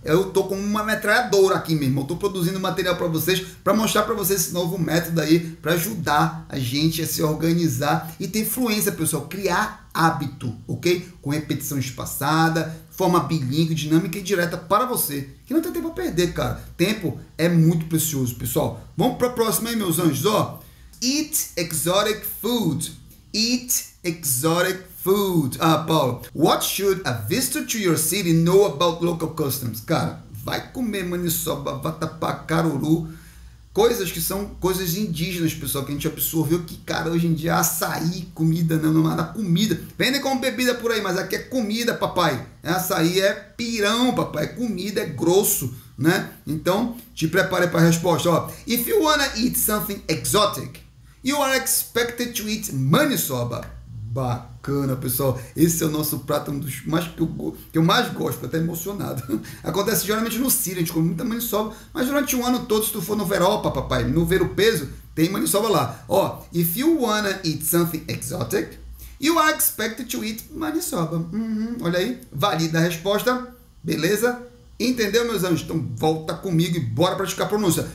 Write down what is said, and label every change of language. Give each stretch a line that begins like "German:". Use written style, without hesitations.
Portuguese: Eu tô como uma metralhadora aqui mesmo, eu tô produzindo material para vocês, para mostrar para vocês esse novo método aí, para ajudar a gente a se organizar e ter fluência, pessoal, criar hábito, ok? Com repetição espaçada, forma bilíngue, dinâmica e direta para você, que não tem tempo a perder, cara. Tempo é muito precioso, pessoal. Vamos para a próxima aí, meus anjos, ó.
English: Eat exotic food. Eat exotic food. Ah, Paulo, what should a visitor to your city know about local customs?
Portuguese: Cara, vai comer maniçoba, vatapá, caruru, coisas que são coisas indígenas, pessoal, que a gente absorveu, que, cara, hoje em dia açaí, comida, não, não é nada, comida. Vende como bebida por aí, mas aqui é comida, papai. Açaí é pirão, papai, é comida, é grosso, né? Então, te prepare para a resposta, ó.
English: If you wanna eat something exotic, you are expected to eat maniçoba.
Portuguese: Bacana, pessoal. Esse é o nosso prato, um dos mais que eu mais gosto. Fico até emocionado. Acontece geralmente no Ciro, a gente come muita maniçoba, mas durante um ano todo, se tu for no Veropa, papai, no Veropeso, tem maniçoba lá.
English: Ó, if you wanna eat something exotic, you are expected to eat maniçoba.
Portuguese: Olha aí, valida a resposta. Beleza? Entendeu, meus anjos? Então volta comigo e bora praticar a pronúncia.